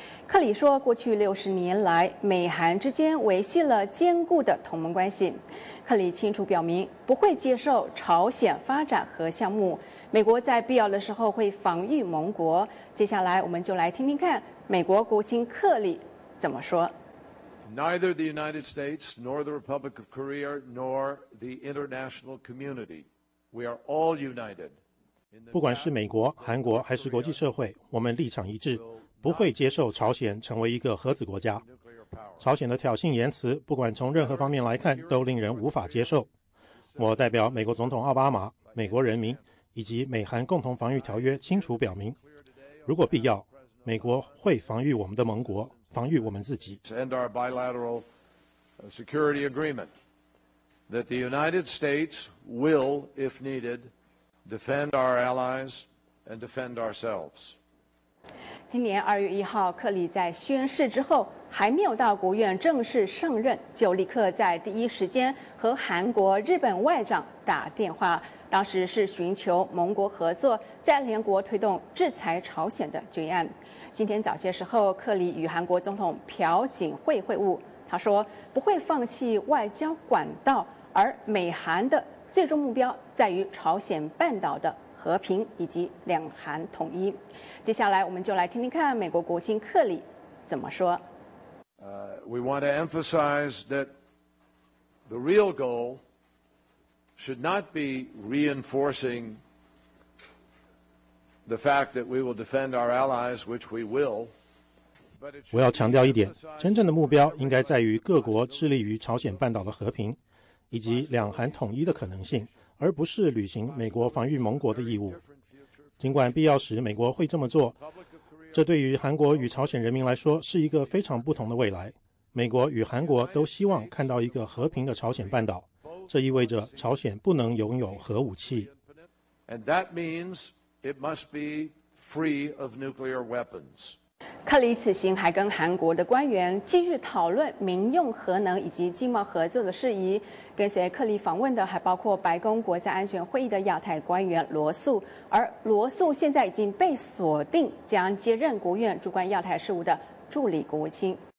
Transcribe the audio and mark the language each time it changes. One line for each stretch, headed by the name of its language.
Chinese: 克里说，过去60年来，美韩之间维系了坚固的同盟关系。克里清楚表明，不会接受朝鲜发展核项目，美国在必要的时候会防御盟国。接下来我们就来听听看美国国务卿克里怎么说。
English: Neither the United States nor the Republic of Korea nor the international community, we are all united.
Chinese: 不管是美国、韩国还是国际社会，我们立场一致，不会接受朝鲜成为一个核子国家。朝鲜的挑衅言辞，不管从任何方面来看，都令人无法接受。我代表美国总统奥巴马、美国人民以及美韩共同防御条约清楚表明，如果必要，美国会防御我们的盟国。防御我们自己。
English: And our bilateral security agreement that the United States will, if needed, defend our allies and defend ourselves.
Chinese: 今年2月1号，克里在宣誓之后还没有到国务院正式上任，就立刻在第一时间和韩国、日本外长打电话，当时是寻求盟国合作，在联国推动制裁朝鲜的决议案。今天早些时候，克里与韩国总统朴槿惠会晤，他说不会放弃外交管道，而美韩的最终目标在于朝鲜半岛的和平以及两韩统一。接下来我们就来听听看美国国务卿克里怎么说。
English: We want to emphasize that the real goal should not be reinforcing the fact that we will defend our allies, which we will.
Chinese: 我要强调一点，真正的目标应该在于各国致力于朝鲜半岛的和平以及两韩统一的可能性，而不是履行美国防御盟国的义务。尽管必要时美国会这么做，这对于韩国与朝鲜人民来说是一个非常不同的未来。美国与韩国都希望看到一个和平的朝鲜半岛，这意味着朝鲜不能拥有核武器。
English: And that means it must be free of nuclear weapons.
Chinese: 克里此行还跟韩国的官员继续讨论民用核能以及经贸合作的事宜。跟随克里访问的还包括白宫国家安全会议的亚太官员罗素，而罗素现在已经被锁定将接任国务院主管亚太事务的助理国务卿。